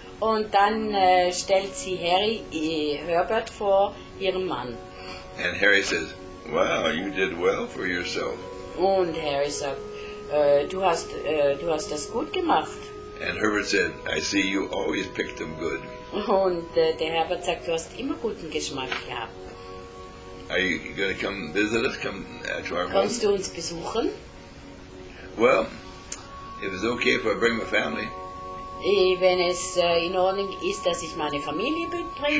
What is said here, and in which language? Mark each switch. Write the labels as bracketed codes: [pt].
[de] Und dann stellt sie Harry, Herbert, vor ihrem Mann. [en] And Harry says, wow, you did well for yourself. [de] Und Harry sagt, du hast das gut gemacht. [en] And Herbert said, I see you always picked them good. [de] Und der Herbert sagt, du hast immer guten Geschmack gehabt. [en] Are you going to come visit us? Come to our [de] Kommst [en] home? [de] Du uns besuchen? [en] Well, if it's okay if I bring my family. [de] Wenn es in Ordnung ist, dass ich meine Familie bringe.